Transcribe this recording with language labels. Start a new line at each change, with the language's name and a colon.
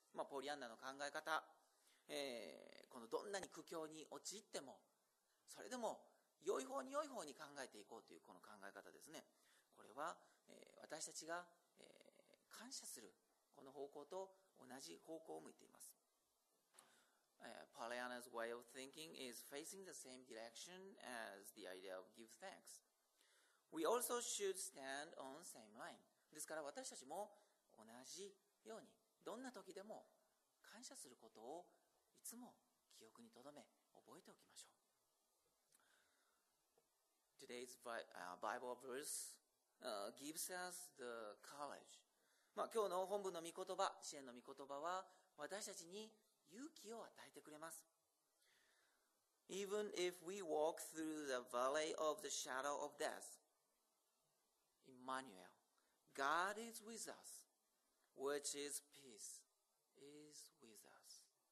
Japanese: まあ、ポリアンナの考え方、このどんなに苦境に陥っても、それでも良い方に良い方に考えていこうというこの考え方ですね。これは、私たちが、感謝する。この方向と同じ方向を向いています。
English: Pollyanna's way of thinking is facing the same direction as the idea of give thanks. We also should stand on the same line.
Japanese: ですから私たちも同じようにどんな時でも感謝することをいつも記憶に留め覚えておきましょう。
English: Today's Bible verse gives us the courage.
Japanese: まあ、今日の本文の御言葉、詩篇の御言葉は私たちに勇気を与えてくれます。
English: Even if we walk through the valley of the shadow of death, Emmanuel, God is with us, which is peace, is with us.